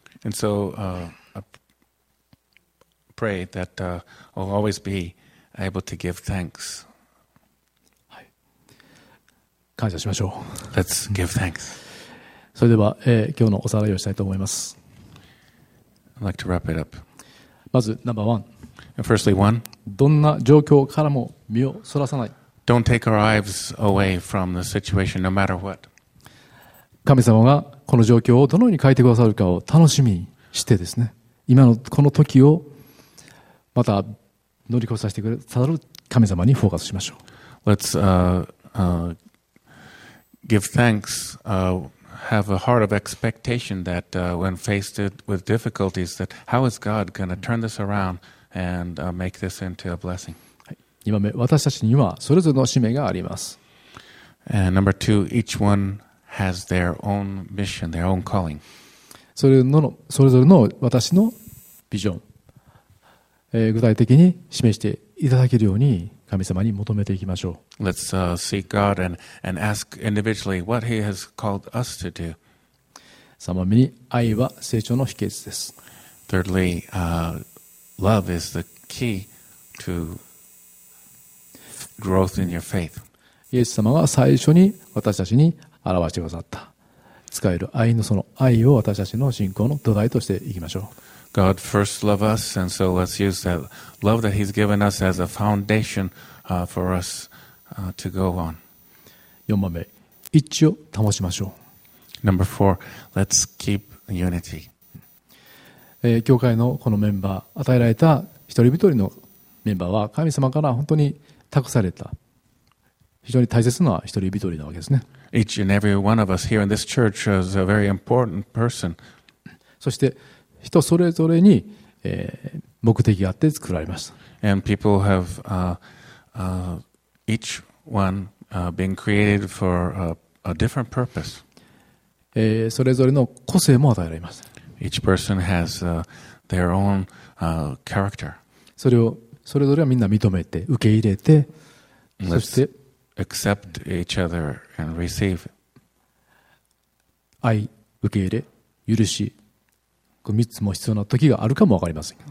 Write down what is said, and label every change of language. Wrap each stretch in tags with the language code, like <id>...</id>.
<en>And so, I pray that I'll always be able to give thanks.</en> <ja>はい。感謝しましょう。</ja> <en>Let's give thanks.</en> <ja>それでは、今日のおさらいをしたいと思います。</ja> <en>I'd like to wrap it up.</en> <ja>まず、ナンバーワン。</ja> <en>Firstly, one.</en> <ja>どんな状況からも身をそらさない。</ja> <en>Don't take our eyes away from the situation, no matter what.</en> <ja>神様がこの状況をどのように変えてくださるかを楽しみにしてですね、今のこの時をまた乗り越えさせてくれさる神様にフォーカスしましょう。</ja> <en>Let's give thanks. Have a heart of expectation that when faced with difficulties, that how is God going to turn this around? And make this into a blessing.</en> <ja>2番目、私たちにはそれぞれの使命があります。</ja> <en>And number two, each one has their own mission, their own calling.</en> <ja>それぞれの私のビジョン、具体的に示していただけるように神様に求めていきましょう。</ja> <en>Let's seek God and ask individually what He has called us to do.</en> <ja>3番目に、愛は成長の秘訣です。</ja> <en>Thirdly, Love is the key to growth in your faith.</en> <ja>イエス様が最初に私たちに表してくださった使える愛のその愛を私たちの信仰の土台としていきましょう。</ja> <en>God first loved us, and so let's use that love that He's given us as a foundation for us to go on.</en> <ja>4番目、一致を保ちましょう。</ja> <en>Number four, let's keep unity.</en> <ja>教会のこのメンバー、与えられた一人一人のメンバーは神様から本当に託された非常に大切な一人一人なわけですね。</ja> <en>Each and every one of us here in this church is a very important person.</en> <ja>そして人それぞれに、目的があって作られました。</ja> <en>And people have each one been created for a different purpose.</en> <ja>それぞれの個性も与えられました。</ja> <en>Each person has their own character.</en> <ja>それをそれぞれはみんな認めて受け入れて、そして</ja> <en>accept each other and receive.</en> <ja>愛、受け入れ、許し、この三つも必要な時があるかもわかりません。</ja>